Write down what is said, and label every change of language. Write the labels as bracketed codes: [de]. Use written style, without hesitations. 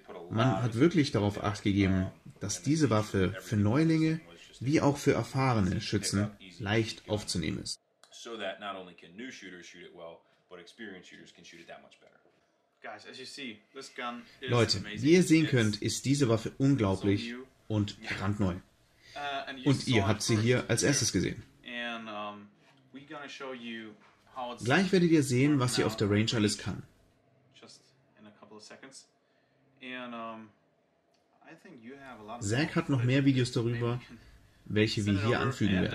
[de] Man hat wirklich darauf Acht gegeben, dass diese Waffe für Neulinge wie auch für erfahrene Schützen leicht aufzunehmen ist. [en] So that not only can new shooters shoot it well, but experienced shooters can shoot it that much better. Guys, as you see, this gun is [de] Leute, [en] amazing. [de] Wie ihr sehen könnt, ist diese Waffe unglaublich und brandneu. Und ihr habt sie hier als erstes gesehen. [en] And, we're gonna show you how it's [de] Gleich werdet ihr sehen, was sie auf der Range alles kann. [en] Just in a couple of seconds. And, I think you have a lot of [de] Zach hat noch mehr Videos darüber, welche wir hier anfügen werden.